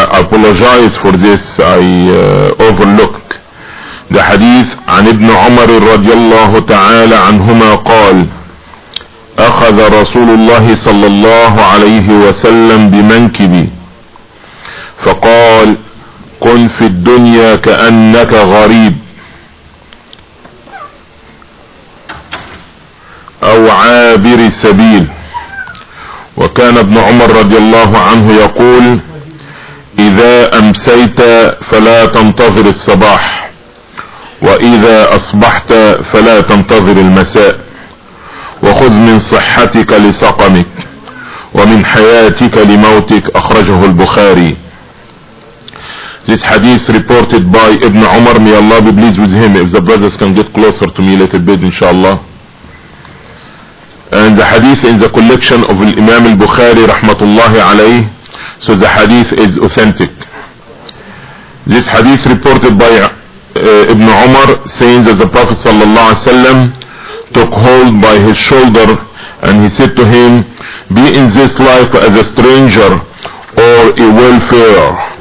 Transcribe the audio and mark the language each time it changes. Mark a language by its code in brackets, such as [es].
[en] I apologize for this. I overlooked the hadith. [ar] عن ابن عمر رضي الله تعالى عنهما قال أخذ رسول الله صلى الله عليه وسلم بمنكبي فقال كن في الدنيا كأنك غريب أو عابر سبيل. وكان ابن عمر رضي الله عنه يقول إذا أمسيت فلا تنتظر الصباح وإذا أصبحت فلا تنتظر المساء وخذ من صحتك لسقمك ومن حياتك لموتك. أخرجه البخاري. [en] This hadith reported by Ibn Umar, may Allah be pleased with him. If the brothers can get closer to me a little bit, inshallah. And the hadith in the collection of Imam al-Bukhari, rahmatullahi alayh. So the hadith is authentic. This hadith reported by Ibn Umar, saying that the Prophet sallallahu alayhi wa sallam took hold by his shoulder and he said to him, be in this life as a stranger or a welfare.